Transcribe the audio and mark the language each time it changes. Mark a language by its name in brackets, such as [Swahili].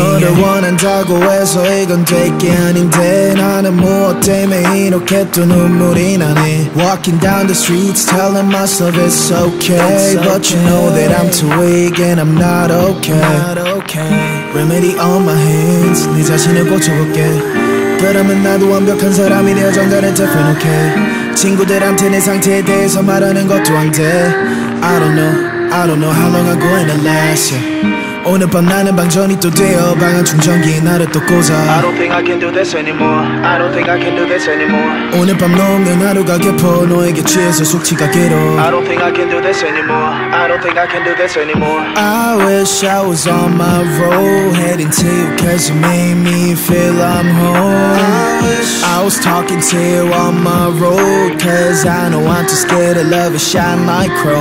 [Korean] 너를 원한다고 해서 이건 되게 아닌데 나는 무엇 때문에 이렇게 또 눈물이 나네. [English] Walking down the streets telling myself it's okay, it's okay. But you know that I'm too weak and I'm not okay. Not okay. Remedy on my hands, [Korean] 네 자신을 고쳐볼게. 그러면 나도 완벽한 사람이 되어 전달해 [English] different, okay. [Korean] 친구들한테 내 상태에 대해서 말하는 것도 안 돼. [English] I don't know how long I'm going to last, yeah. [Korean] 오늘 밤 나는 방전이 또 되어 방안 충전기에 나를 또 꽂아. [English] I don't think I can do this anymore. I don't think I can do this anymore. [Korean] 오늘 밤 넘는 하루가 깊어 너에게 취해서 숙취가 길어. [English] I don't think I can do this anymore. I don't think I can do this anymore. I wish I was on my road heading to you, cause you made me feel I'm home. I wish I was talking to you on my road, cause I know I'm too scared of love and shine like chrome.